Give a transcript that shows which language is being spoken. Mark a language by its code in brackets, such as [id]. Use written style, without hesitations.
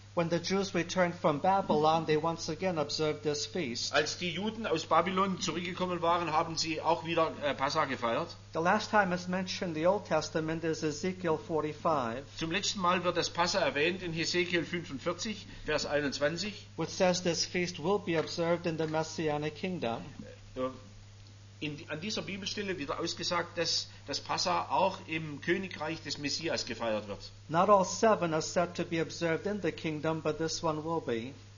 [en] When the Jews returned from Babylon, they once again observed this feast. [de] Als die Juden aus Babylon zurückgekommen waren, haben sie auch wieder Passa gefeiert. [en] The last time it's mentioned in the Old Testament is Ezekiel 45. [de] Zum letzten Mal wird das Passa erwähnt in Hesekiel 45, Vers 21. [en] Which says this feast will be observed in the Messianic Kingdom. [de] An dieser Bibelstelle wird ausgesagt, dass das Passa auch im Königreich des Messias gefeiert wird. [en] Not all seven are said to be observed in the kingdom, but this one will be.